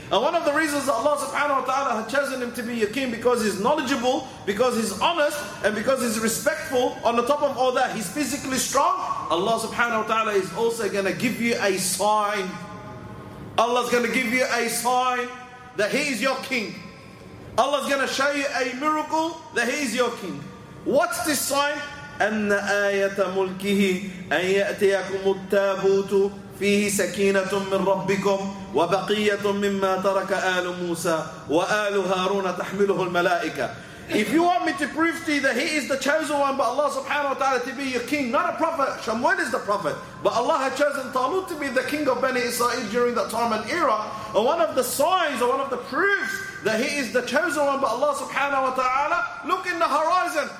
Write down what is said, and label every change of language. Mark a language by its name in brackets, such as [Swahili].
[English] And one of the reasons that Allah subhanahu wa ta'ala had chosen him to be your king, because he's knowledgeable, because he's honest, and because he's respectful, on the top of all that, he's physically strong. Allah subhanahu wa ta'ala is also going to give you a sign. Allah's going to give you a sign that he is your king. Allah's going to show you a miracle that he is your king. What's this sign? [Arabic] أن آية ملكه أن يأتيكم التابوت فيه سكينة من ربكم وبقية مما ترك آل موسى وآل هارون تحمله الملائكة. [English] If you want me to prove to you that he is the chosen one, but Allah subhanahu wa ta'ala to be your king, not a prophet, Shamuel is the prophet, but Allah had chosen Talut to be the king of Bani Israel during that time and era, and one of the signs or one of the proofs that he is the chosen one, but Allah subhanahu wa ta'ala, look in the horizon.